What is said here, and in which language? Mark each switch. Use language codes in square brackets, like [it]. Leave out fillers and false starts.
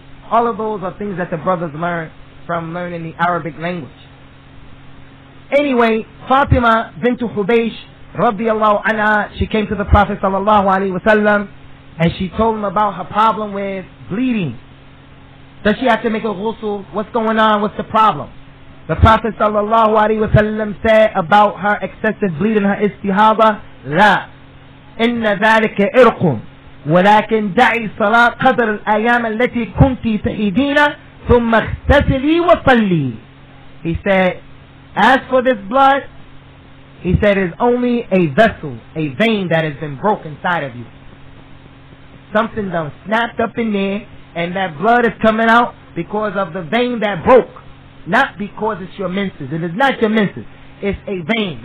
[en] All of those are things that the brothers learn from learning the Arabic language. Anyway, Fatima bint Hubaysh, radiallahu anha, she came to the Prophet sallallahu alayhi wasallam and she told him about her problem with bleeding. Does she have to make a ghusl? What's going on? What's the problem? The Prophet sallallahu alayhi wasallam said about her excessive bleeding, her istihadha, [ar] لا إن ذلك إرق ولكن دعي صلاة قدر الأيام التي كنت تحيدين ثم اغتسلي وصلي. [en] He said, as for this blood, he said, it's only a vessel, a vein that has been broken inside of you. Something done snapped up in there, and that blood is coming out because of the vein that broke. Not because it's your menses. It is not your menses. It's a vein.